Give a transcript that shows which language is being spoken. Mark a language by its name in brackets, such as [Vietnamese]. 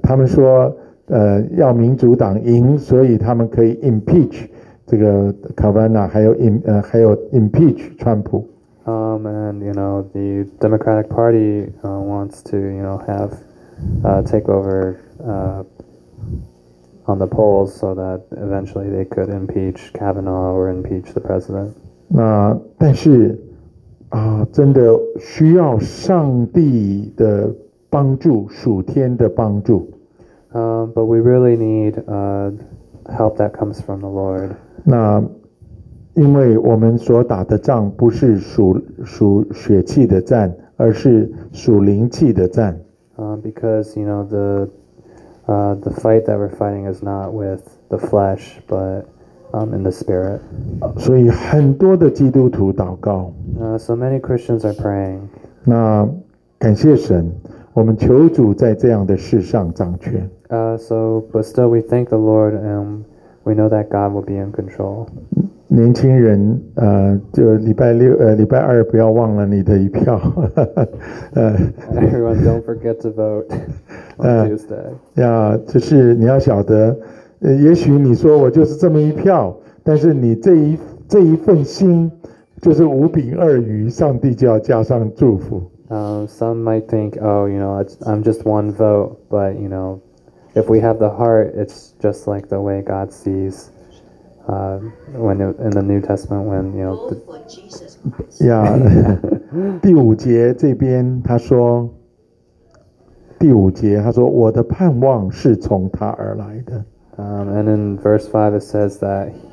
[Chinese] 他们说，要民主党赢，所以他们可以 impeach 这个 Kavanaugh， 还有 impeach 川普。 [English] And you know, the Democratic Party wants to, you know, have take over on the polls so that eventually they could impeach Kavanaugh or impeach the president. [Chinese] 但是真的需要上帝的帮助，属天的帮助。 [English] But we really need help that comes from the Lord. [Chinese] 那因为我们所打的仗不是属血气的战，而是属灵气的战。 [English] Because you know the fight that we're fighting is not with the flesh, but in the spirit. [Chinese] 所以很多的基督徒祷告。 [English] So many Christians are praying. [Chinese] 那感谢神，我们求主在这样的事上掌权。 [English] But still we thank the Lord, and we know that God will be in control. [Chinese] 年轻人，就礼拜六，礼拜二不要忘了你的一票。 [English] Everyone, don't forget to vote on Tuesday. [Chinese] 呀，就是你要晓得，也许你说我就是这么一票，但是你这一份心，就是五饼二鱼，上帝就要加上祝福。 [English] Some might think, oh, you know, I'm just one vote, but you know, if we have the heart, it's just like the way God sees, when in the New Testament, when you know. [Chinese] Yeah, 第五节这边他说，第五节他说，我的盼望是从他而来的。 [English] And in verse 5 it says that